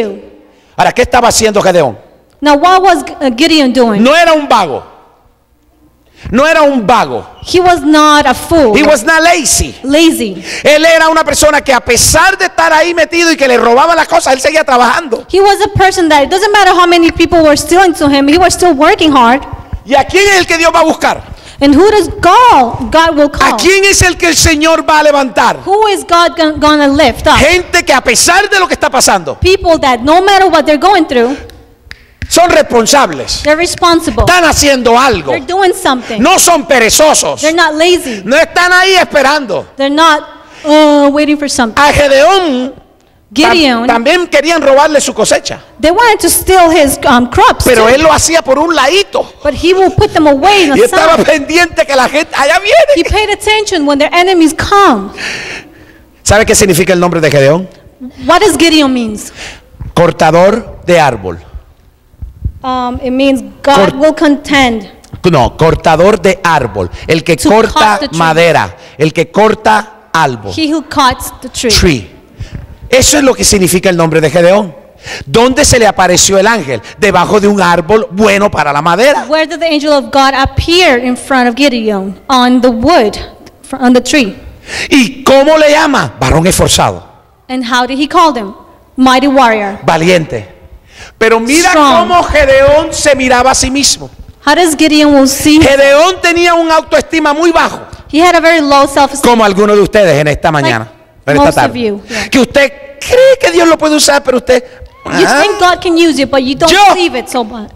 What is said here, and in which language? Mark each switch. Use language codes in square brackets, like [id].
[en] You? [es] Ahora, ¿qué estaba haciendo Gedeón? [en] Now, what was Gideon doing? [es] No era un vago. No era un vago. [en] He was not a fool. He was not lazy. Lazy. [es] Él era una persona que a pesar de estar ahí metido y que le robaba las cosas, él seguía trabajando. [en] He was a person that it doesn't matter how many people were stealing to him, he was still working hard. [es] ¿Y a quién es el que Dios va a buscar? [en] And who does God will call? [es] ¿A quién es el que el Señor va a levantar? [en] Who is God gonna lift up? [es] Gente que a pesar de lo que está pasando. [en] People that no matter what they're going through. [es] Son responsables. [en] They're responsible. [es] Están haciendo algo. [en] They're doing something. [es] No son perezosos. [en] They're not lazy. [es] No están ahí esperando. [en] They're not waiting for something. [es] A Gedeón, [en] Gideon, [es] también querían robarle su cosecha. [en] They wanted to steal his crops. [es] Pero [en] too. [es] Él lo hacía por un ladito. [en] But he will put them away in [es] y estaba [en] side. [es] Pendiente que la gente allá viene. [en] He paid attention when their enemies come. [es] ¿Sabe qué significa el nombre de Gedeón? [en] What does Gideon means? [es] Cortador de árbol. [en] It means God will contend. [es] No, cortador de árbol, el que corta madera, el que corta árbol. [en] He who cuts the tree. Tree. [es] Eso es lo que significa el nombre de Gedeón. ¿Dónde se le apareció el ángel? Debajo de un árbol bueno para la madera. [en] Where did the angel of God appear in front of Gideon? On the wood on the tree. [es] ¿Y cómo le llama? Varón esforzado. [en] And how did he call them? Mighty warrior. [es] Valiente. Pero mira cómo Gedeón se miraba a sí mismo. [en] How does Gideon will see? [es] Gedeón tenía un autoestima muy bajo. [en] He had a very low self-esteem. [es] Como algunos de ustedes en esta mañana, [en] like [es] en esta tarde. [en] Most of you. [es] Que usted cree que Dios lo puede usar, pero usted [en] You think God can use you, but you don't believe it so much.